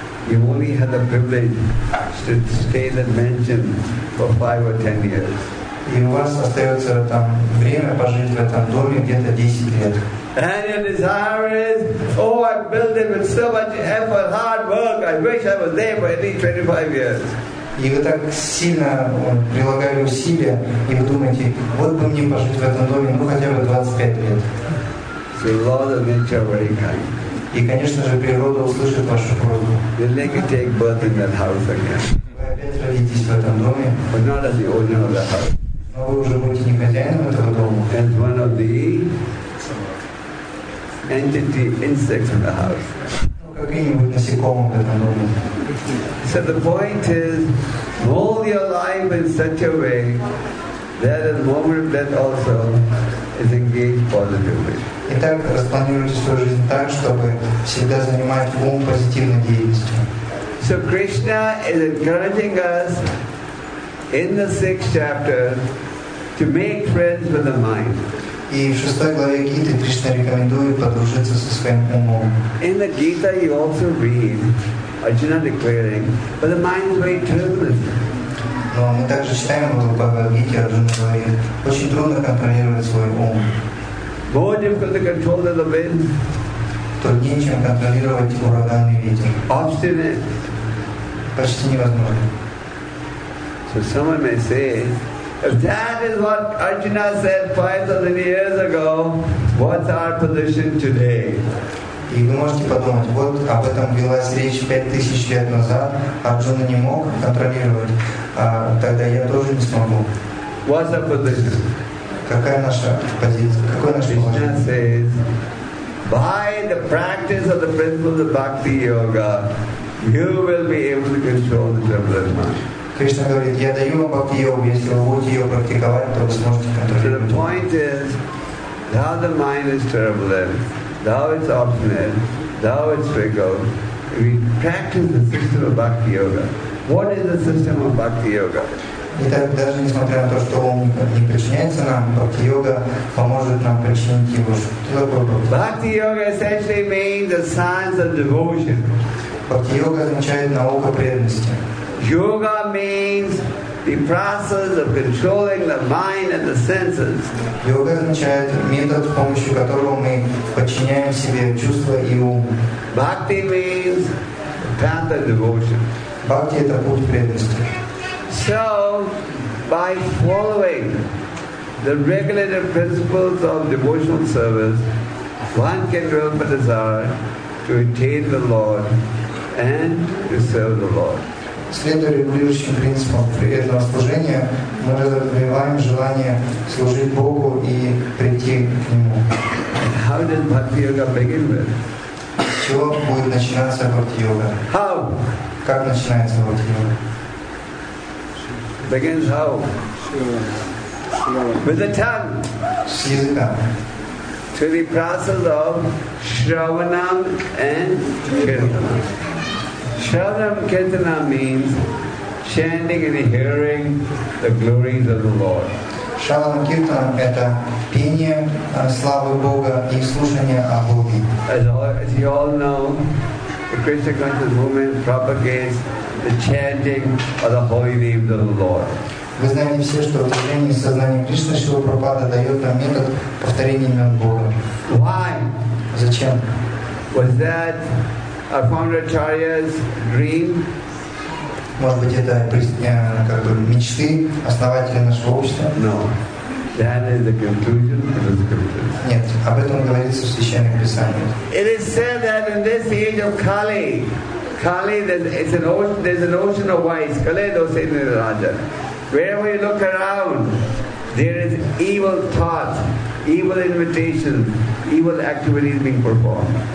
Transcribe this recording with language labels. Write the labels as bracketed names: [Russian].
[English] You only had the privilege to stay in that mansion for 5 or 10 years. [Russian] И у вас остается там время пожить в этом доме где-то 10 лет. [English] And your desire is, oh, I built it with so much effort, hard work. I wish I was there for at least 25 years. [Russian] И вы так сильно прилагали усилия, и вы думаете, вот бы мне пожить в этом доме, ну хотя бы 25 лет. [English] The laws of nature are very kind. [Russian] И, конечно же, природа услышит вашу просьбу. [English] You'll like to take birth in that house again. [Russian] Вы опять родитесь в этом доме. [English] But not as the owner of the house. [Russian] Но вы уже будете не хозяином этого дома. [English] As one of the entity insects in the house. [Russian] Ну, какие-нибудь насекомые в этом доме. [English] So the point is, mold your life in such a way that at the moment of death also is engaged positively. [Russian] Итак, распланируйте свою жизнь так, чтобы всегда занимать ум позитивной деятельностью. [English] So Krishna is encouraging us in the 6th chapter to make friends with the mind. [Russian] И в 6 главе Гиты Кришна рекомендует подружиться со своим умом. [English] In the Gita you also read Arjuna declaring, but the mind is very turbulent. [Russian] Но мы также читаем в Бхагавад Гите, Арджуна говорит, очень трудно контролировать свой ум. [English] More difficult to control than the wind. [Russian] Труднее, чем контролировать ураганный ветер. [English] Obstinate. [Russian] Почти невозможно. [English] So someone may say, if that is what Arjuna said 5,000 years ago, what's our position today? [Russian] И вы можете подумать, вот об этом велась речь 5000 лет назад, Арджуна не мог контролировать, а тогда я тоже не смогу. [English] What's our position? [Russian] Какая наша позиция? Какое наше положение? [English] Krishna says, by the practice of the principles of bhakti yoga, you will be able to control the turbulent mind. [Russian] Krishna говорит, я даю вам бхакти йогу, если вы будете ее практиковать, то вы сможете контролировать. [English] So the point is, now the mind is turbulent, now it's obstinate, now it's fickle. We practice the system of bhakti yoga. What is the system of bhakti yoga? [Russian] Итак, даже несмотря на то, что ум не подчиняется нам, бхакти-йога поможет нам подчинить его. [English] Бхакти-йога essentially means the science of devotion. [Russian] Бхакти-йога означает наука преданности. [English] Йога means the process of controlling the mind and the senses. [Russian] Йога означает метод, с помощью которого мы подчиняем себе чувства и ум. [English] Бхакти means the path of devotion. [Russian] Бхакти — это путь преданности. [English] So, by following the regulative principles of devotional service, one can develop a desire to attain the Lord and to serve the Lord. [Russian] Следуя регулирующим принципам преданного служения, мы развиваем желание служить Богу и прийти к Нему. [English] How did Bhakti Yoga begin with? [Russian] С чего будет начинаться Bhakti Yoga? [English] How? [Russian] Как начинается Bhakti Yoga? [English] Begins how? With the tongue. [Russian] С языка. [English] To the process of Shravanam and Kirtanam. Shravanam Kirtanam means chanting and hearing the glories of the Lord. [Russian] Шалам Киртан – это пение славы Бога и слушание о Боге. [English] As you all know, the Krishna conscious movement propagates the chanting of the holy names of the Lord. [Russian] Вы знаете все, что движение сознания Кришны Шрила Прабхупады дает нам метод повторения имен Бога. [English] Why? [Russian] Зачем? [English] Was that our founder Acharya's dream? [Russian] Может быть, это как бы мечты основателя нашего общества? [English] No. That is the conclusion of the scriptures. [Russian] Нет, об этом говорится в Священных Писаниях. [English] It is said that in this age of Kali, there's an ocean of vice. Kali, those in the Raja. Wherever you look around, there is evil thoughts, evil invitations, evil activities being performed.